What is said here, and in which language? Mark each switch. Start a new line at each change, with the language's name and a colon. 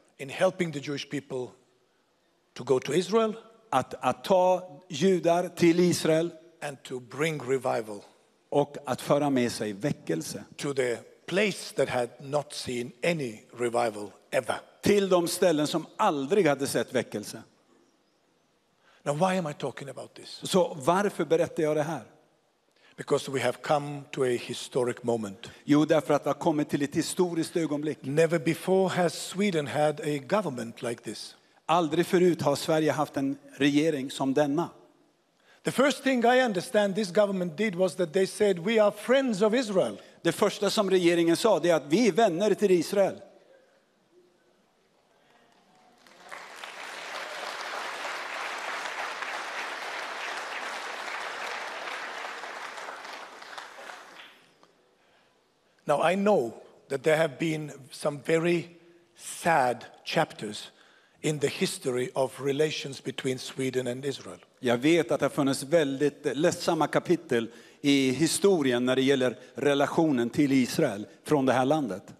English: in helping the Jewish people to go to Israel.
Swedish: Att ta judar till Israel.
English: And to bring revival,
Swedish: och att föra med sig väckelse,
English: to the place that had not seen any revival ever,
Swedish: till de ställen som aldrig hade sett väckelse.
English: Now why am I talking about this?
Swedish: Så varför berättar jag det här?
English: Because we have come to a historic moment.
Swedish: Jo, därför att vi har kommit till ett historiskt ögonblick.
English: Never before has Sweden had a government like this.
Swedish: Aldrig förut har Sverige haft en regering som denna.
English: The first thing I understand this government did was that they said we are friends of Israel.
Swedish: Det första som regeringen sa, det är att vi är vänner till Israel.
English: Now I know that there have been some very sad chapters in the history of relations between Sweden and Israel.
Swedish: Jag vet att det har funnits väldigt ledsamma kapitel i historien när det gäller relationen till Israel från det här landet.